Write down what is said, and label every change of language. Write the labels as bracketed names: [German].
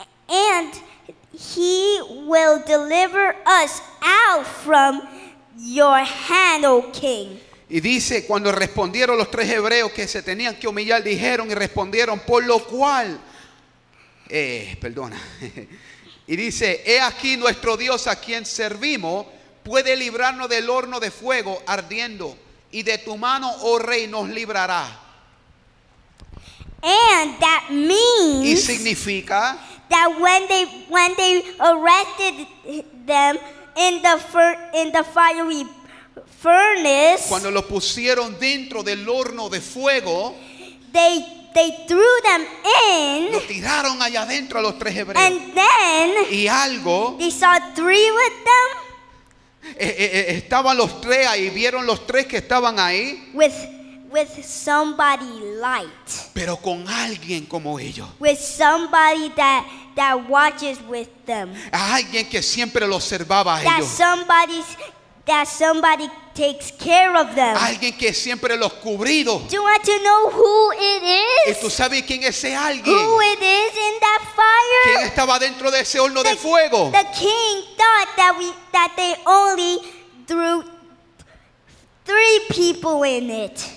[English] And he will deliver us out from your hand, O king. [Spanish] Y dice, cuando respondieron los tres hebreos que se tenían que humillar, dijeron y respondieron, por lo cual, perdona. Y dice, he aquí nuestro Dios a quien servimos puede librarnos del horno de fuego ardiendo, y de tu mano, oh rey, nos librará. [English] And that means, [Spanish] y significa, [English] that when they arrested them in the fiery furnace, [Spanish] cuando lo pusieron dentro del horno de fuego, [English] they threw them in, [Spanish] lo tiraron allá adentro a los tres hebreos, [English] and then, [Spanish] y algo, [English] they saw three with them, [Spanish] estaban los tres ahí, vieron los tres que estaban ahí, [English] with somebody light, [Spanish] pero con alguien como ellos, [English] with somebody that watches with them, [Spanish] alguien que siempre los observaba a ellos, [English] that somebody takes care of them. [Spanish] Alguien que siempre los cubrido. [English] Do you want to know who it is? [Spanish] ¿Y tú sabes quién es ese alguien? [English] Who it is in that fire? [Spanish] ¿Quién estaba dentro de ese horno de fuego? [English] The king thought that they only threw three people in it.